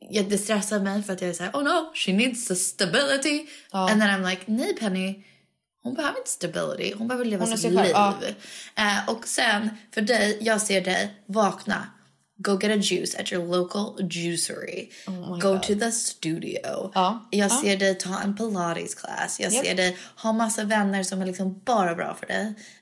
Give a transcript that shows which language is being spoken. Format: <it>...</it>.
<sv>Det stressar mig för att jag är så här,</sv> <en>oh no, she needs the stability.</en> <sv>Ja.</sv> <en>And then I'm like,</en> <sv>nej Penny. Hon behöver inte stability. Hon behöver leva sitt liv. Ja. Och sen, för dig, jag ser dig. Vakna.</sv> <en>Go get a juice at your local juicery. Oh go God. To the studio.</en> <sv>Ja. Jag ser dig ta en Pilates class. Jag ser dig ha massa vänner som är liksom bara bra för dig.</sv>